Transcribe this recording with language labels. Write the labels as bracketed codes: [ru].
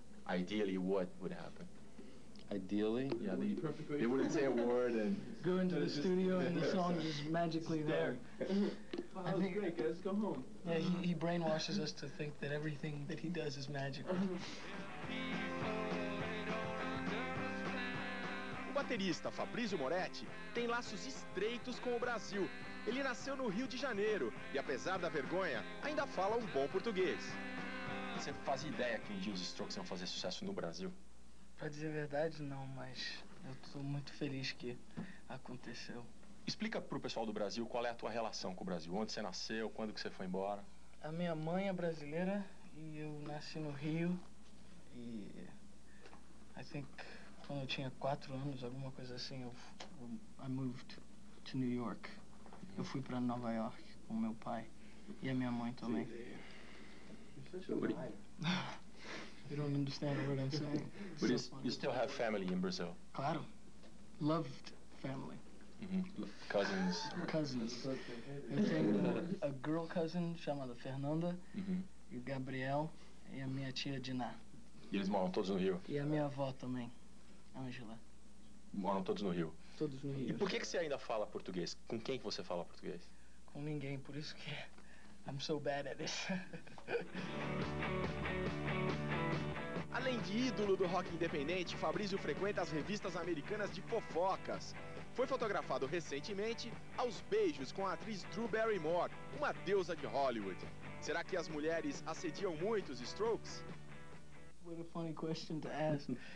[en] Ideally, what would happen? Ideally? Yeah, it would be perfectly. They wouldn't say a word and... Go into the studio and the song is magically there. Oh, that was great, guys. Go home. Yeah, he brainwashes us to think that everything that he does is magical. [pt] O baterista Fabrício Moretti tem laços estreitos com o Brasil. Ele nasceu no Rio de Janeiro e, apesar da vergonha, ainda fala um bom português. Você faz ideia que um dia os Strokes iam fazer sucesso no Brasil? Pra dizer a verdade, não, mas eu tô muito feliz que aconteceu. Explica pro pessoal do Brasil qual é a tua relação com o Brasil. Onde você nasceu, quando que você foi embora? A minha mãe é brasileira e eu nasci no Rio. E... [en] I think... [pt] Quando eu tinha 4 anos, alguma coisa assim, [en] I moved to New York. [pt] Eu fui para Nova York com meu pai e a minha mãe também. [en] You don't understand what I'm saying. But you still have family in Brazil? [pt] Claro. [en] Loved family. Mm-hmm. Cousins. Cousins. [pt] Eu tenho a [en] girl cousin [pt] chamada Fernanda, mm-hmm. e o Gabriel e a minha tia Diná. E eles moram todos no Rio? E a minha avó também. Angela. Moram todos no Rio? Todos no Rio. E por que que você ainda fala português? Com quem que você fala português? Com ninguém, por isso que... [en] I'm so bad at this. [pt] Além de ídolo do rock independente, Fabrício frequenta as revistas americanas de fofocas. Foi fotografado recentemente aos beijos com a atriz Drew Barrymore, uma deusa de Hollywood. Será que as mulheres assediam muito os Strokes? [en] What a funny question to ask.